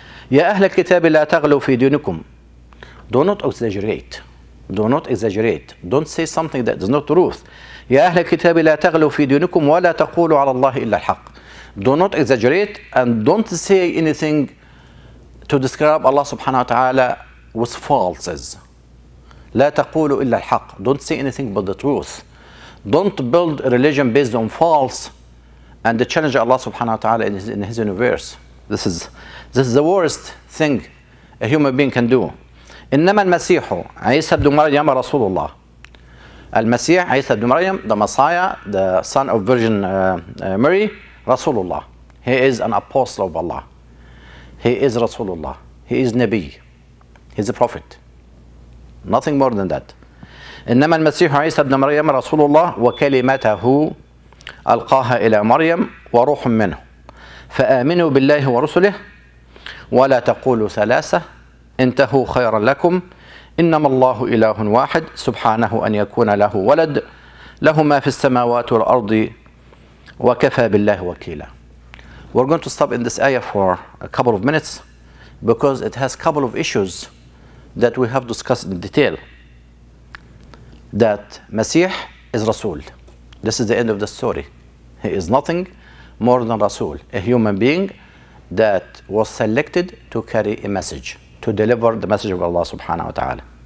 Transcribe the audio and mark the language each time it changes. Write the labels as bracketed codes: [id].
[ar] يا أهل الكتاب لا تغلوا في دينكم. [en] Do not exaggerate. Do not exaggerate. Don't say something that is not truth. [ar] يا أهل الكتاب لا تغلوا في دينكم ولا تقولوا على الله إلا الحق. [en] Do not exaggerate and don't say anything to describe Allah [ar] سبحانه وتعالى [en] with falses. [ar] لا تقولوا إلا الحق. [en] Don't say anything but the truth. Don't build a religion based on false and challenge Allah [ar] سبحانه وتعالى [en] in his universe. This is the worst thing a human being can do. [ar] إنما المسيح عيسى بن مريم رسول الله. المسيح عيسى بن مريم, [en] the Messiah, the son of Virgin Mary, [ar] رسول الله. [en] He is an apostle of Allah. He is [ar] رسول الله. [en] He is نبي. He is a prophet. Nothing more than that. [ar] إنما المسيح عيسى بن مريم رسول الله وكلمته ألقاها إلى مريم وروح منه. فآمنوا بالله ورسله ولا تقولوا ثلاثة انتهوا خيرا لكم إنما الله إله واحد سبحانه أن يكون له ولد له ما في السماوات والأرض وكفى بالله وكيلا. [en] We're going to stop in this ayah for a couple of minutes because it has a couple of issues that we have discussed in detail, that Masih is Rasul. This is the end of the story. He is nothing more than Rasul, a human being that was selected to carry a message, to deliver the message of Allah subhanahu wa ta'ala.